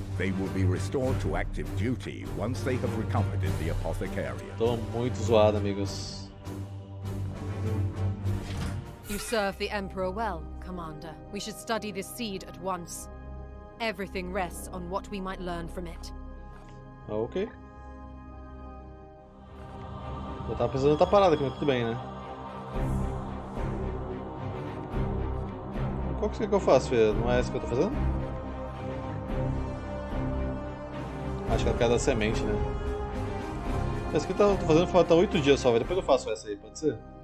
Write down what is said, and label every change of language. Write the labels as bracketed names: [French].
[English] They will be restored to active duty once they have recovered the apothecary. [Portuguese] Estou muito zoado, amigos. [English] You serve the emperor well, commander. We should study this seed at once. Everything rests on what we might learn from it. OK. [Portuguese] Eu tava precisando estar parado aqui, mas tudo bem, né? Qual que você quer que eu faça, Fê? Não é isso que eu tô fazendo? Acho que é a cada semente, né? Essa que eu tô fazendo falta 8 dias só, véio. Depois eu faço essa aí, pode ser?